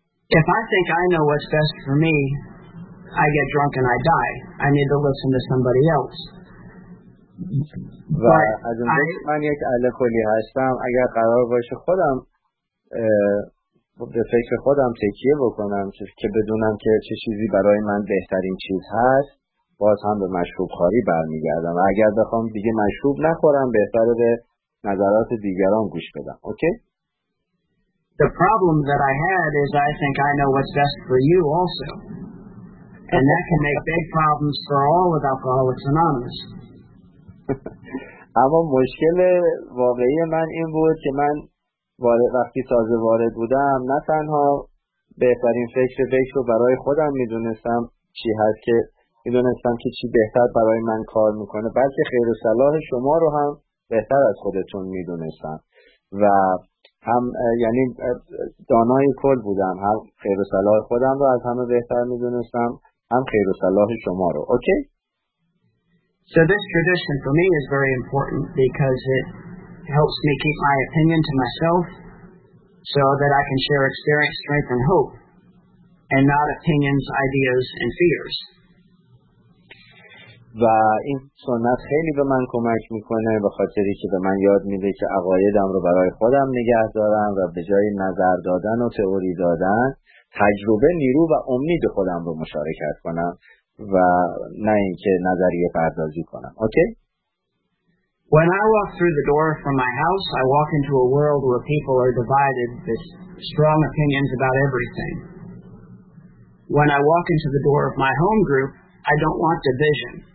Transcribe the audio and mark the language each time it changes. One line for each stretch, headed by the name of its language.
English: If I think I know what's best for me, I get drunk and I die. I need to listen to somebody else.
Persian: و از اونجایی که من یک الکلی هستم، اگر قرار باشه خودم به فکر خودم تکیه بکنم که بدونم که چه چیزی برای من بهترین چیز هست، باز هم به مشروب خواری برمیگردم. اگر بخوام دیگه مشروب نخورم، بهتره به نظرات دیگران گوش بدم.
English: Okay. The problem that I had is I think I know what's best for you also. And that can make big problems for all of Alcoholics Anonymous.
Persian: اما مشکل واقعی من این بود که من وقتی تازه وارد بودم نه تنها بهترین فکر رو برای خودم میدونستم چی هست که میدونستم که چی بهتر برای من کار میکنه، بلکه خیر و صلاح شما رو هم بهتر از خودتون میدونستم و هم یعنی دانای کل بودم، هم خیر و صلاح خودم رو از همه بهتر میدونستم هم خیر و صلاح شما رو.
English: Okay? So this tradition for me is very important because it helps me keep my opinion to myself so that I can share experience, strength, and hope and not opinions, ideas, and fears.
Persian: و این سنت خیلی به من کمک میکنه به خاطری که به من یاد میده که عقایدم رو برای خودم نگه دارم و به جای نظر دادن و تئوری دادن تجربه نیرو و امید خودم رو مشارکت کنم و نه اینکه نظریه پردازی کنم.
English: Okay? When I walk through the door from my house, I walk into a world where people are divided with strong opinions about everything. When I walk into the door of my home group, I don't want division.